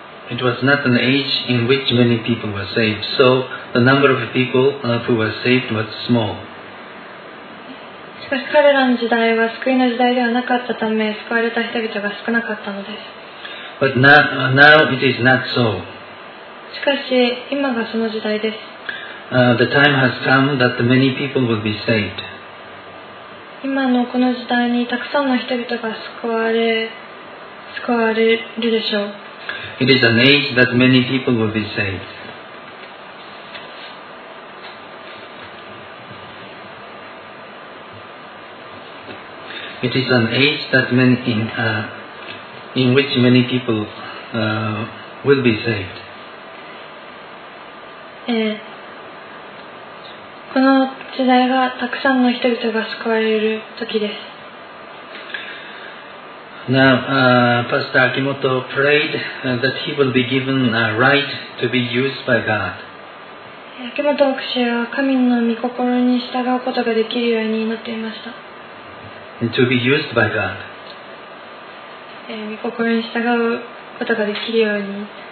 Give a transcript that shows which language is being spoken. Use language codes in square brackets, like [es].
[en] It was not an age in which many people were saved. So the number of people who were saved was small. [ja] しかし彼らの時代は救いの時代ではなかったため、救われた人々が少なかったのです。 [en] But now it is not so. [ja] しかし今がその時代です。 [en] The time has come that many people will be saved. [ja] 今のこの時代にたくさんの人々が救われるでしょう。 [en] It is an age that many people will be saved. It is an age that many in which many people will be saved. [ja] この時代がたくさんの人々が救われる時です。 [en] Now, Pastor Akimoto prayed that he will be given a right to be used by God. [ja] 秋元牧師は神の御心に従うことができるように祈っていました。 [en] And to be used by God. [ja] 御心に従うことができるように